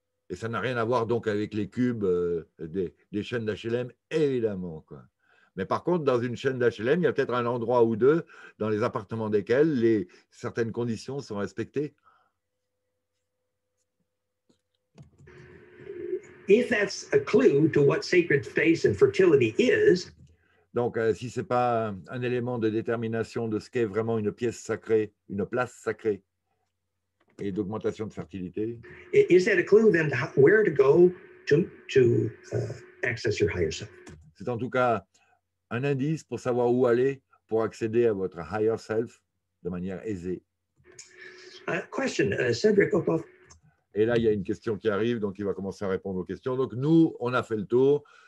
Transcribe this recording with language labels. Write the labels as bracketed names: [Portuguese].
[French] Et ça n'a rien à voir donc avec les cubes des chaînes d'HLM, évidemment, quoi. Mais par contre, dans une chaîne d'HLM, il y a peut-être un endroit ou deux dans les appartements desquels certaines conditions sont respectées. [English] If that's a clue to what sacred space and fertility is. [French] Donc, si ce n'est pas un élément de détermination de ce qu'est vraiment une pièce sacrée, une place sacrée et d'augmentation de fertilité. [English] Is that a clue then where to go to access your higher self? [French] C'est en tout cas un indice pour savoir où aller pour accéder à votre higher self de manière aisée. [English] Question, Cedric Opoff. [French] Et là, il y a une question qui arrive, donc il va commencer à répondre aux questions. Donc, nous, on a fait le tour.